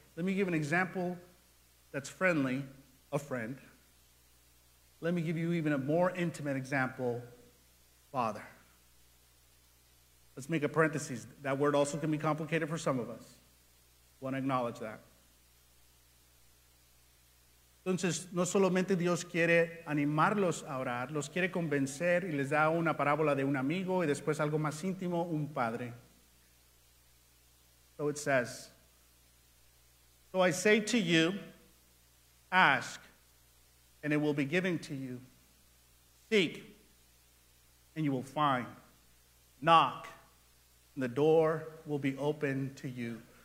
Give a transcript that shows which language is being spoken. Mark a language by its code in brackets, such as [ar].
[en] Let me give an example that's friendly, a friend. Let me give you even a more intimate example, father. Let's make a parenthesis. That word also can be complicated for some of us. I want to acknowledge that. [es] Entonces, no solamente Dios quiere animarlos a orar, los quiere convencer y les da una parábola de un amigo y después algo más íntimo, un padre. [en] So it says, so I say to you, ask, and it will be given to you. Seek, and you will find. Knock, and the door will be opened to you.